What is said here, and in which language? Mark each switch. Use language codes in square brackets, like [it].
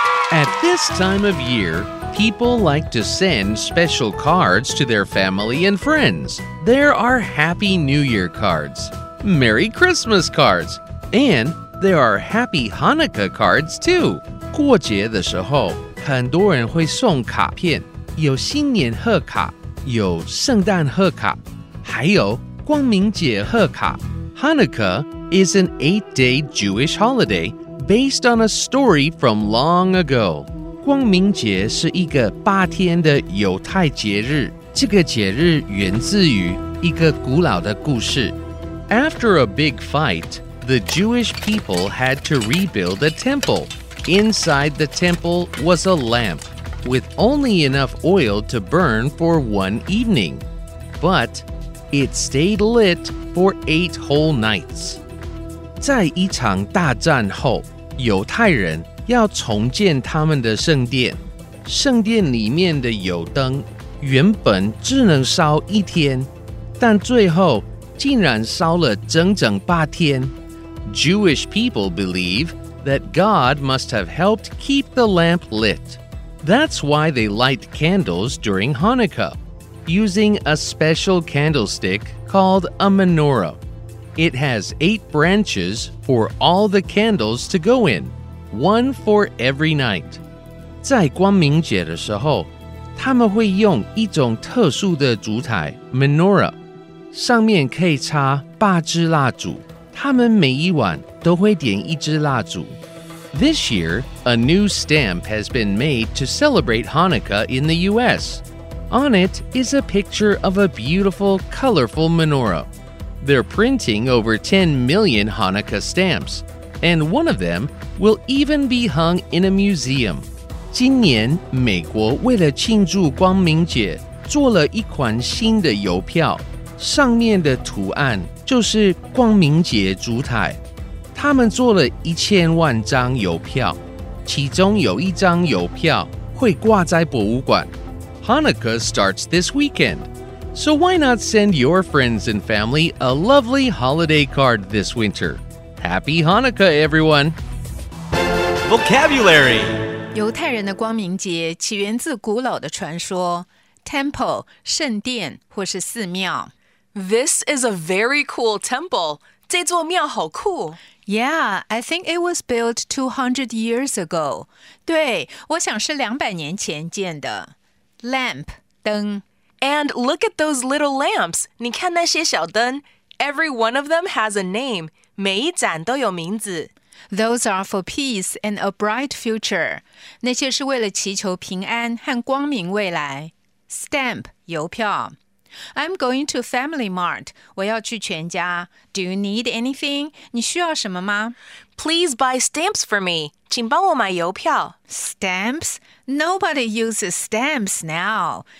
[en] At this time of year, people like to send special cards to their family and friends. There are Happy New Year cards, Merry Christmas cards, and there are Happy Hanukkah cards too. [zh] 过节的时候，很多人会送卡片，有新年贺卡，有圣诞贺卡，还有光明节贺卡。 [en] Hanukkah is an 8-day Jewish holiday based on a story from long ago. [zh] 光明节是一个八天的犹太节日，这个节日源自于一个古老的故事。 [en] After a big fight, the Jewish people had to rebuild a temple. Inside the temple was a lamp, with only enough oil to burn for one evening. But it stayed lit for 8 whole nights. [zh] 在一场大战后，犹太人要重建他们的圣殿。圣殿里面的油灯原本只能烧一天，但最后竟然烧了整整八天。 [en] Jewish people believe that God must have helped keep the lamp lit. That's why they light candles during Hanukkah, using a special candlestick called a menorah. It has 8 branches for all the candles to go in, one for every night. [zh] 在光明节的时候，他们会用一种特殊的烛台 menorah， 上面可以插8支蜡烛。他们每一晚都会点一支蜡烛。 [en] This year, a new stamp has been made to celebrate Hanukkah in the U.S. On it is a picture of a beautiful, colorful menorah. They're printing over 10 million Hanukkah stamps, and one of them will even be hung in a museum. [zh] 今年美国为了庆祝光明节，做了一款新的邮票，上面的图案就是光明节烛台。他们做了1000万张邮票，其中有一张邮票会挂在博物馆。 [en] Hanukkah starts this weekend, so why not send your friends and family a lovely holiday card this winter? Happy Hanukkah, everyone! Vocabulary! [zh] 犹太人的光明节起源自古老的传说 ,Temple, 圣殿或是寺庙。 [en] This is a very cool temple. [zh] 这座庙好酷。 [en] Yeah, I think it was built 200 years ago. [zh] 对，我想是200年前建的。 [en] Lamp, [zh] 灯。 [en] And look at those little lamps. [zh] 你看那些小灯。 [en] Every one of them has a name. [zh] 每一盏都有名字。 [en] Those are for peace and a bright future. [zh] 那些是为了祈求平安和光明未来。 [en] Stamp, 邮票。I'm going to Family Mart. [zh] 我要去全家。 [en] Do you need anything? [zh] 你需要什么吗? [en] Please buy stamps for me. [zh] 请帮我买邮票。 [en] Stamps? Nobody uses stamps now.